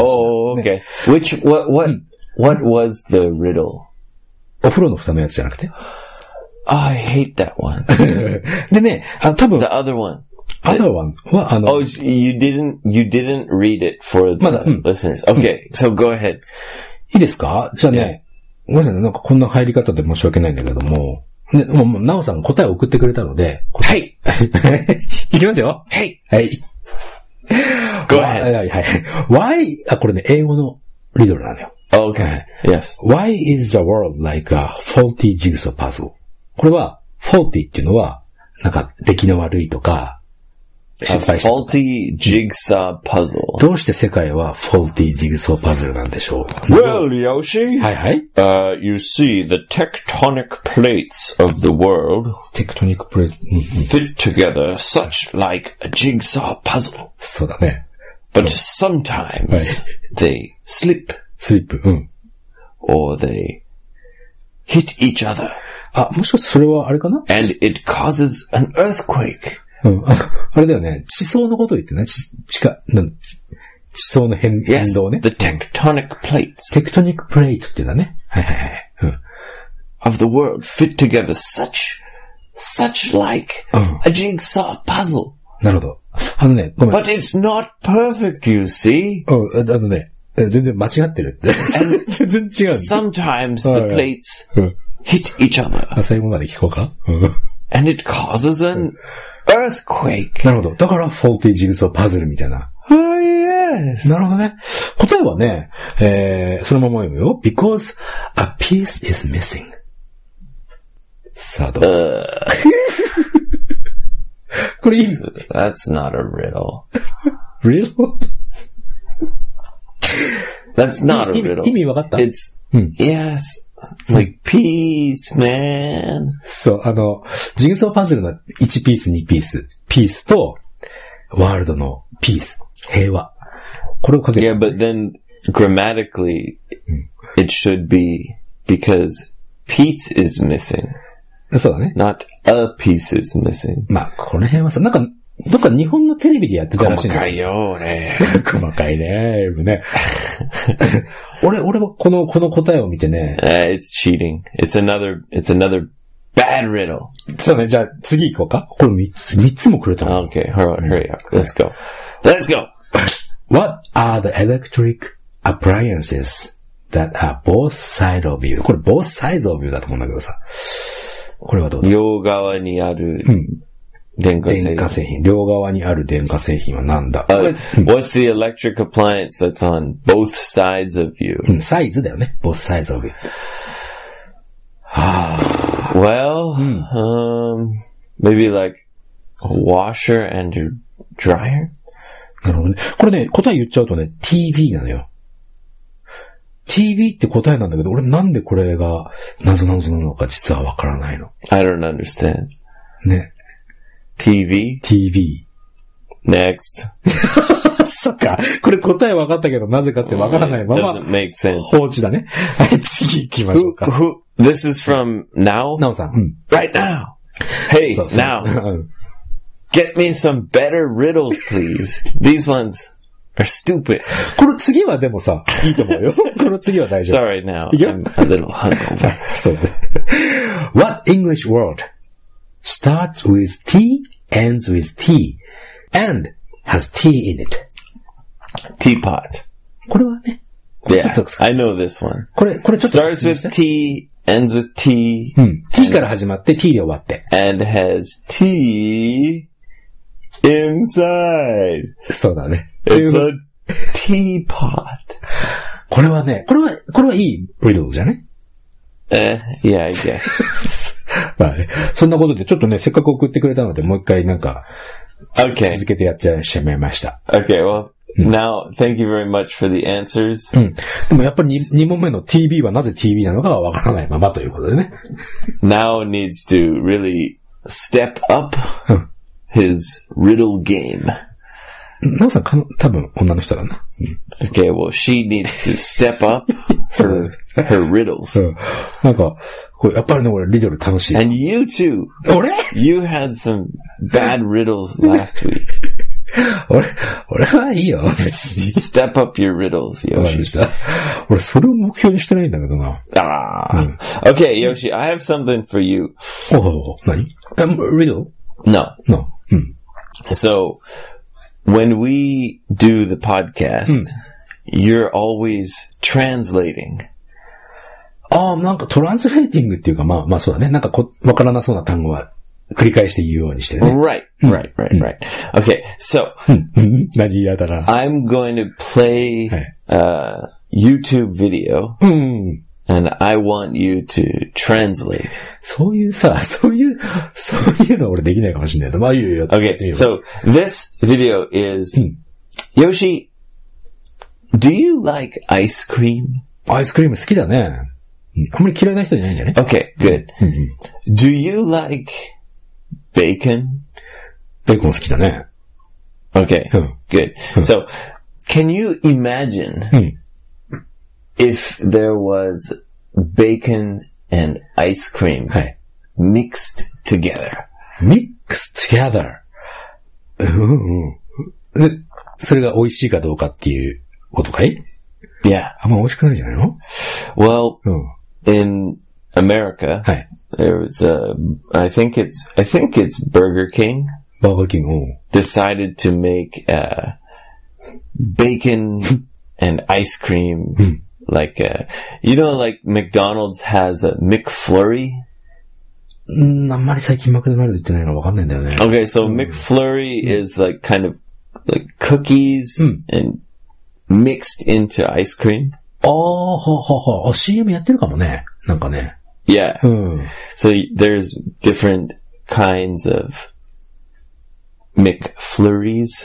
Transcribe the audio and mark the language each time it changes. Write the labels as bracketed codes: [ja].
[en] Oh, okay. Which, what was the riddle? [ja] お風呂の蓋のやつじゃなくて? [en] I hate that one. [ja] でね、多分。 [en] The other one. Other one [ja] は、あの、 [en] Oh, you didn't read it for the、 [ja] まだ、 [en] listeners. Okay,、so go ahead. [ja] いいですか? じゃあね、ごめんなさいね、なんかこんな入り方で申し訳ないんだけども、ね、もう、なおさんが答えを送ってくれたので、はいいきますよ、 [en] hey! [ja] はい [en] !Go ahead! [ja] はいはい。 [en] Why, [ja] あ、これね、英語のリドルなのよ。 [en] Okay, yes. Why is the world like a faulty jigsaw puzzle? [ja] これは、faulty っていうのは、なんか、出来の悪いとか、 [en] A faulty jigsaw puzzle. [ja] どうして世界は [en] faulty jigsaw puzzle [ja] なんでしょう? [en] Well, Yoshi. [ja] はいはい。 [en] You see, the tectonic plates of the world tectonic plates fit together such like a jigsaw puzzle. [ja] そうだね。 [en] But sometimes、 [ja] はい、 [en] they slip. Slip. [ja] うん。 [en] Or they hit each other. [ja] あ、もしかしてそれはあれかな? [en] And it causes an earthquake. [ja] うん、あれだよね。地層のことを言ってね。地層の変動ね。 [en] Yes, the tectonic plates. [ja] Tectonic plate っていうのはね。はいはいはい。うん、 [en] of the world fit together such like a jigsaw puzzle.、 [ja] うん、なるほど。あのね、ごめん。 [en] But it's not perfect, you see. [ja] うん、あのね、全然間違ってるって。全然違う。 [en] Sometimes the plates hit each other. [ja] 最後まで聞こうか。 [en] And it causes an、earthquake. [ja] なるほど。だから、 [en] faulty jigsaw puzzle [ja] みたいな。 [en] Oh, yes. [ja] なるほどね。答えはね、そのまま読むよ。 [en] because a piece is missing. [ja] さあ、どう? これいい。 [en] That's not a riddle. riddle? That's not a riddle. [ja] 意味わかった? [en] It's,、 [ja] うん、 [en] yes. Like piece, man. [ja] そう、あの、ジグソーパズルの1ピース、2ピース、ピースと、ワールドのピース、平和。これをかけて。 [en] Yeah, but then, grammatically,、 [ja] うん、 [en] it should be, because piece is missing. [ja] そうだね。 [en] Not a piece is missing. [ja] まあ、この辺はさ、なんか、どっか日本のテレビでやってたらしいんだよ。細かいよ、俺。細かいね、ね。俺はこの答えを見てね。 [en] It's cheating. It's another bad riddle. [ja] そうね、じゃあ次行こうか。これ3つもくれたの。 [en] Okay, hurry up. Let's go. Let's go! What are the electric appliances that are both sides of you? [ja] これ both sides of you だと思うんだけどさ。これはどうだ? 両側にある。うん。電化製品。両側にある電化製品は何だ、 [en] What's the electric appliance that's on both sides of you? [ja] サイズだよね。 [en] Both sides of you. Well,、 [ja] うん、 [en] maybe like a washer and a dryer? [ja] なるほどね。これね、答え言っちゃうとね、TV なのよ。TV って答えなんだけど、俺なんでこれが謎なぞなのか実はわからないの。 [en] I don't understand. [ja] ね。 [en] TV? TV. Next. [ja] そっか。これ答え分かったけど、なぜかって分からないまま。 [en] Doesn't make sense. [ja] 放置だね。はい、次行きましょうか。 [en] This is from now? [ja] なおさん。 [en] Right now! Hey, now! Get me some better riddles, please. These ones are stupid. [ja] この次はでもさ、いいと思うよ。この次は大丈夫。 [en] Sorry now. I'm a little hungover. [ja] そうね。 [en] What English word? Starts with T, ends with T, and has T in it. Teapot. [ja] これはね。 [en] Yeah, I know this one. [ja] これちょっと。 [en] Starts with T, ends with T. [ja] うん。 T から始まって T で終わって。 [en] And has T inside. [ja] そうだね。 [en] It's a teapot. [ja] これはね、これはいい riddle じゃね。 [en] Yeah, I guess. [ja] まあね、そんなことで、ちょっとね、せっかく送ってくれたので、もう一回なんか、 [en] okay. [ja] 続けてやっちゃいしまいました。 [en] Okay, well,、 [ja] うん、 [en] now, thank you very much for the answers. [ja] うん。でもやっぱり 2問目の TV はなぜ TV なのかはわからないままということでね。 [en] Now needs to really step up his riddle game. [ja] なおさん、多分女の人だな。うん、 [en] okay, well, she needs to step up her her riddles. And you too. [ja] 俺? [en] You had some bad riddles last week. [ja] 俺、俺はいいよ、別に。 [en] Step up your riddles, Yoshi. [ja] 俺、それを目標にしてないんだけどな。 Ah. [en] Okay, Yoshi, I have something for you. Oh, [ja] 何? [en] Riddle? No. No. So, when we do the podcast, you're always translating. [ja] ああ、なんかトランスレーティングっていうか、まあ、まあそうだね。なんかこ、わからなそうな単語は。繰り返して言うようにしてね。 [en] Right, right, right, right. Okay, so. [ja] 何嫌だな。 [en] I'm going to play a YouTube video. And I want you to translate. [ja] そういうさ、そういうの俺できないかもしれないけど。まあ言うよ。 [en] Okay, so this video is, Yoshi, do you like ice cream? [ja] アイスクリーム好きだね。あんまり嫌いな人じゃないんじゃね。 [en] Okay, good. Do you like... Bacon? [ja] Bacon 好きだね。 [en] Okay, good. So, can you imagine if there was bacon and ice cream mixed together? Mixed together? [ja] それが美味しいかどうかっていうことかい? [en] Yeah. [ja] あんま美味しくないじゃないの? [en] Well, in America,There was a, I think it's Burger King. Burger King, oh. Decided to make, bacon and ice cream, like, you know, like McDonald's has a McFlurry? [ja] あんまり最近マクドナルド言ってないのわかんないんだよね。 [en] Okay, so McFlurry is like kind of like cookies and mixed into ice cream. Oh, ho, ho, ho. [ja] CM やってるかもね。なんかね。 [en] Yeah. So there's different kinds of McFlurries.